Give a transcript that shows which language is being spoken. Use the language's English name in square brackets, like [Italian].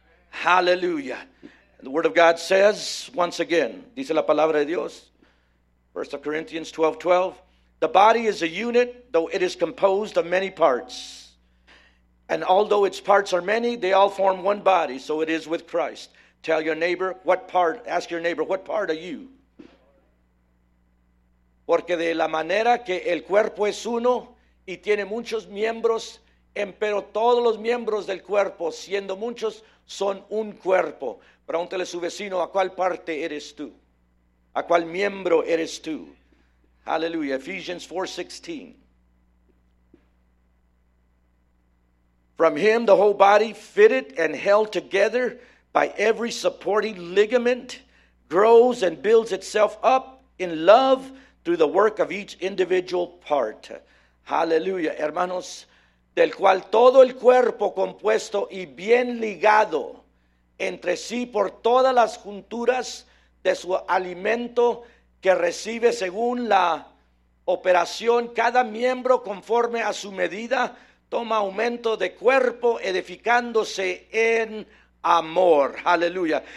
[English] Hallelujah. And the word of God says, once again, [Spanish] dice la palabra de Dios, [English] 1 Corinthians 12, 12. The body is a unit, though it is composed of many parts. And although its parts are many, they all form one body, so it is with Christ. Tell your neighbor, ask your neighbor, what part are you? [Spanish] Porque de la manera que el cuerpo es uno y tiene muchos miembros, empero todos los miembros del cuerpo, siendo muchos, son un cuerpo. Pregúntale a su vecino, ¿a cuál parte eres tú? ¿A cuál miembro eres tú? Hallelujah. Ephesians 4:16. [English] From him the whole body fitted and held together by every supporting ligament grows and builds itself up in love through the work of each individual part. Hallelujah. [Spanish] Hermanos, del cual todo el cuerpo compuesto y bien ligado entre sí por todas las junturas de su alimento que recibe según la operación, cada miembro conforme a su medida toma aumento de cuerpo edificándose en amor. Aleluya.